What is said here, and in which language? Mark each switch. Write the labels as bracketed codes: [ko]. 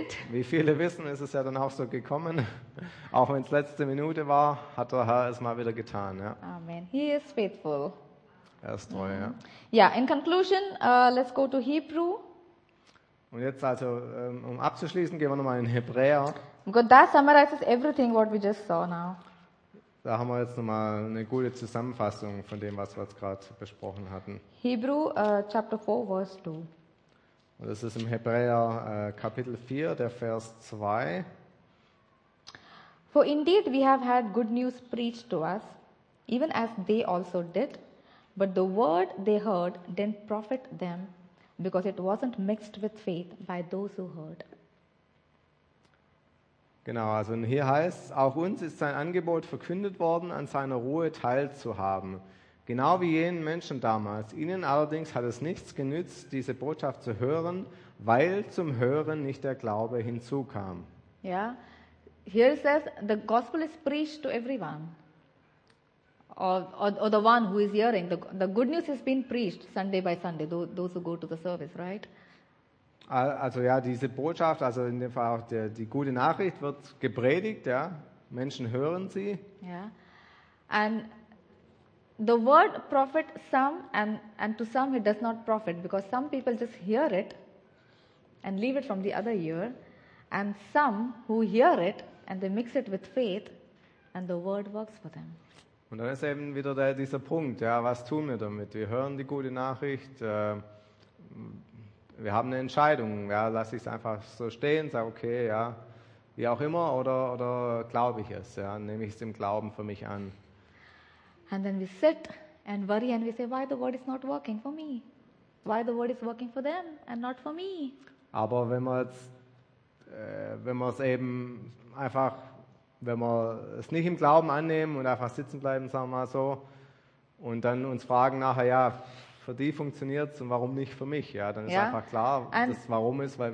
[de] Wie viele wissen, ist es ja dann auch so gekommen. Auch wenn es letzte Minute war, hat der Herr es mal wieder getan. Ja. [en] Amen. He is faithful. [de] Er ist treu, ja. [en] Ja, in conclusion, let's go to Hebrew. [de] Und jetzt also, um abzuschließen, gehen wir nochmal in Hebräer. [en] God, that summarizes everything what we just saw now. [de] Da haben wir jetzt nochmal eine gute Zusammenfassung von dem, was wir jetzt gerade besprochen hatten. [en] Hebrew, chapter 4, verse 2. [de] Und das ist im Hebräer Kapitel 4, der Vers 2. [en] For indeed we have had good news preached to us, even as they also did, but the word they heard didn't profit them, because it wasn't mixed with faith by those who heard. [de] Genau, also hier heißt es, auch uns ist sein Angebot verkündet worden, an seiner Ruhe teilzuhaben. Genau wie jenen Menschen damals. Ihnen allerdings hat es nichts genützt, diese Botschaft zu hören, weil zum Hören nicht der Glaube hinzukam. [en] Ja, hier says the gospel is preached to everyone. Or the one who is hearing. The good news has been preached Sunday by Sunday, those who go to the service, right? [de] Also ja, diese Botschaft, also in dem Fall auch die gute Nachricht wird gepredigt, ja. Menschen hören sie. Ja. [en] And the word profit some and to some it does not profit, because some people just hear it and leave it from the other ear, and some who hear it and they mix it with faith and the word works for them. [de] Und dann ist eben wieder dieser Punkt, ja, was tun wir damit? Wir hören die gute Nachricht, wir haben eine Entscheidung, ja, lasse ich es einfach so stehen, sage okay, ja, wie auch immer, oder glaube ich es, ja, nehme ich es im Glauben für mich an. [en] And then we sit and worry and we say, why the word is not working for me? Why the word is working for them and not for me? [de] Aber wenn man es wenn wir es nicht im Glauben annehmen und einfach sitzen bleiben, sagen wir mal so, und dann uns fragen nachher, ja, für die funktioniert es und warum nicht für mich? Ja, dann ist einfach klar, das warum ist, weil wir